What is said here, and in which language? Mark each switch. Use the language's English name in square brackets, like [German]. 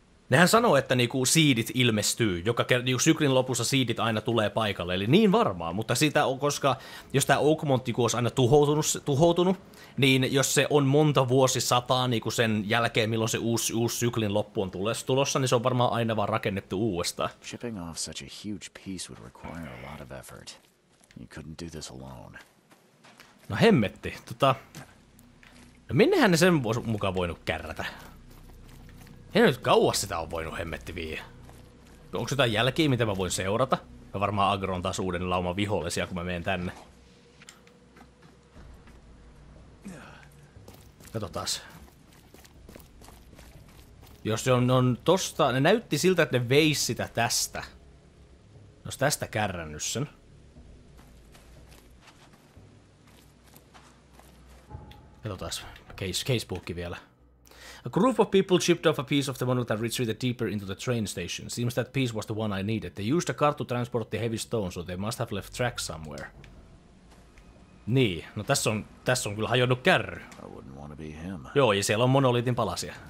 [Finnish] Nehän sanoo, että niinku seedit ilmestyy, joka niinku syklin lopussa seedit aina tulee paikalle, eli niin varmaa, mutta sitä on, koska jos tämä Oakmontti olisi aina tuhoutunut, niin jos se on monta vuosisataa niinku sen jälkeen, milloin se uusi syklin loppu on tulossa, niin se on varmaan aina vaan rakennettu uudestaan. [English] Shipping off such a huge piece would require a lot of effort. You couldn't do this alone. [Finnish] No hemmetti, no minnehän ne sen mukaan voinut kärrätä? En nyt kauas sitä on voinut hemmetti viiä. Onks jotain jälkiä, mitä mä voin seurata? Mä varmaan agron taas uuden lauman vihollisia, kun mä menen tänne. Katotaas. Jos se on tosta... Ne näytti siltä, että ne veis sitä tästä. Jos tästä kärrännys sen. Katotaas. Casebookki vielä. [English] A group of people chipped off a piece of the monolith and retreated deeper into the train station. Seems that piece was the one I needed. They used a car to transport the heavy stone, so they must have left track somewhere. [Finnish] Niin, no tässä on kyllä hajonnut kärry. [English] I wouldn't want to be him. [Finnish] Joo, ja siellä on monoliitin palasia.